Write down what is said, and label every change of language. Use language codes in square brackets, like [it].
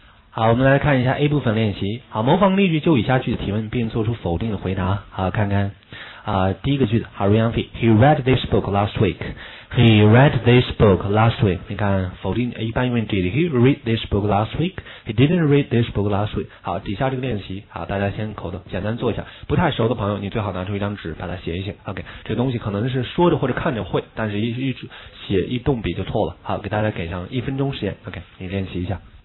[zh] 好，我们来看一下 A 部分练习。好，模仿例句就以下句子提问，并做出否定的回答。好，看看第一个句子。 [en] 好 ，Ryan Fei， He read this book last week. He read this book last week. [zh] 你看，否定一般疑问 [en] ，Did he read this book last week? He didn't read this book last week. [zh] 好，底下这个练习，好，大家先口头简单做一下。不太熟的朋友，你最好拿出一张纸把它写一写。 OK， 这东西可能是说着或者看着会，但是一动笔就错了。好，给大家给上一分钟时间。OK， 你练习一下。